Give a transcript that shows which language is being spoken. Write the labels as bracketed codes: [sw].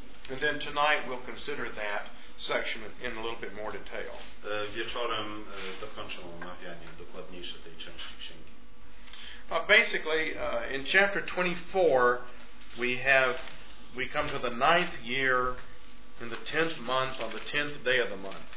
[en] And then tonight we'll consider that section in a little bit more detail. [pl] Wieczorem dokończę omawianie dokładniejsze tej części Księgi. [en] Basically, in chapter 24 we come to the ninth year in the tenth month on the tenth day of the month.